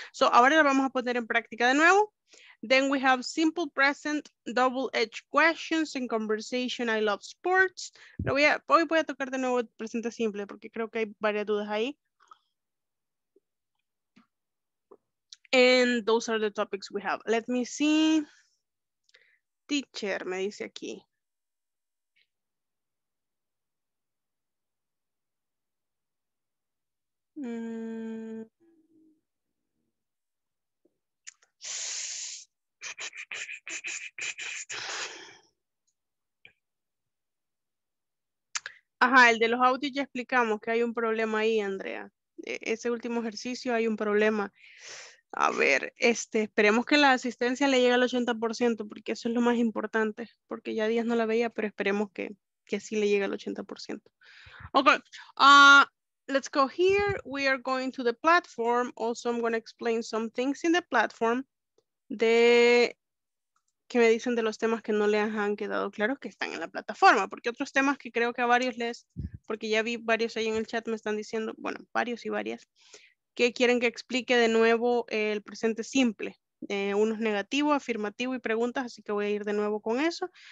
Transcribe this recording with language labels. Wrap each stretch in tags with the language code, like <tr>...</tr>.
<es>So ahora la vamos a poner en práctica de nuevo.</es> <en>Then we have simple present, double-edged questions, and conversation, I love sports.</en> <es>Hoy voy a tocar de nuevo presente simple porque creo que hay varias dudas ahí.</es> <en>And those are the topics we have. Let me see. Teacher,</en> <es>me dice aquí. Ajá, el de los audios ya explicamos que hay un problema ahí, Andrea. Ese último ejercicio hay un problema. A ver, esperemos que la asistencia le llegue al 80%, porque eso es lo más importante, porque ya días no la veía, pero esperemos que sí le llegue al 80%.</es> <en>Okay, let's go here. We are going to the platform. Also, I'm going to explain some things in the platform.</en> <es>De que me dicen de los temas que no les han quedado claros que están en la plataforma, porque otros temas que creo que a varios les, porque ya vi varios ahí en el chat me están diciendo, bueno, varios y varias, que quieren que explique de nuevo el presente simple. Uno es negativo, afirmativo y preguntas, así que voy a ir de nuevo con eso.</es>